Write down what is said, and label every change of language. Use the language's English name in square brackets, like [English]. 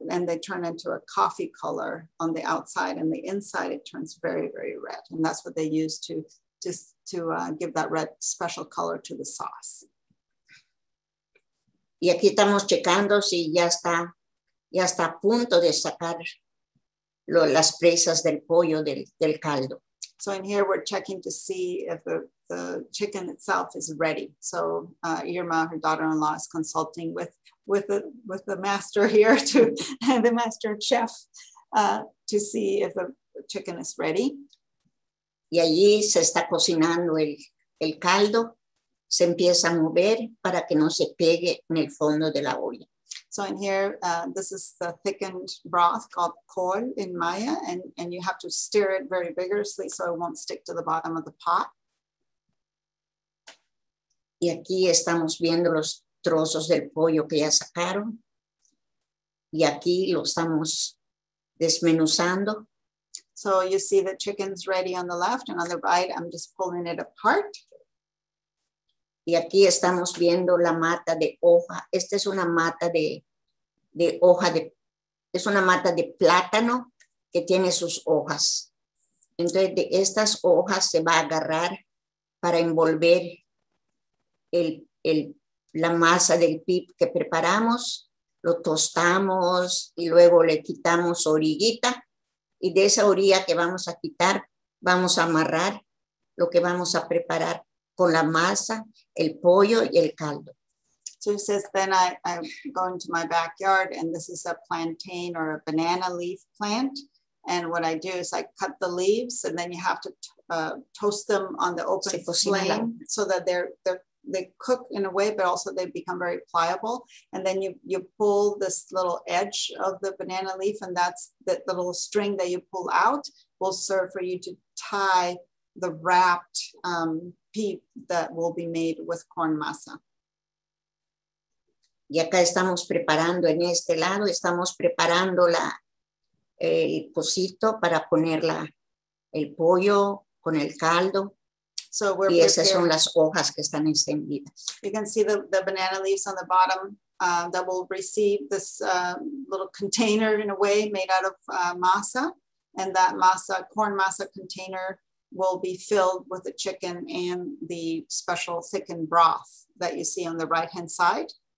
[English] And they turn into a coffee color on the outside, and the inside it turns very, very red. And that's what they use to give that red special color to the sauce. [Spanish] Y aquí estamos checando si ya está a punto de sacar las presas del pollo del caldo. [English] So in here we're checking to see if the chicken itself is ready. So Irma, her daughter-in-law, is consulting with the master here, to the master chef, to see if the chicken is ready. [Spanish] Y allí se está cocinando el caldo, se empieza a mover para que no se pegue en el fondo de la olla. [English] So in here, this is the thickened broth called col in Maya, and you have to stir it very vigorously so it won't stick to the bottom of the pot. [Spanish] Y aquí estamos viendo los trozos del pollo que ya sacaron. Y aquí lo estamos desmenuzando. [English] So you see the chicken's ready on the left, and on the right, I'm just pulling it apart. [Spanish] Y aquí estamos viendo la mata de hoja. Esta es una mata de hoja de, es una mata de plátano que tiene sus hojas. Entonces, de estas hojas se va a agarrar para envolver la masa del pip que preparamos, lo tostamos y luego le quitamos orillita. Y de esa orilla que vamos a quitar, vamos a amarrar lo que vamos a preparar con la masa, el pollo y el caldo. [English] So he says, then I'm going to my backyard, and this is a plantain or a banana leaf plant. And what I do is I cut the leaves, and then you have to toast them on the open flame so that they cook in a way, but also they become very pliable. And then you pull this little edge of the banana leaf, and that's that little string that you pull out will serve for you to tie the wrapped pip that will be made with corn masa. [Spanish] Y acá estamos preparando, en este lado estamos preparando el pocito para poner el pollo con el caldo. [English] So we're [Spanish] y esas [English] prepared. [Spanish] Son las hojas que están encendidas. [English] You can see the banana leaves on the bottom that will receive this little container in a way made out of masa. And that masa, corn masa container, will be filled with the chicken and the special thickened broth that you see on the right hand side.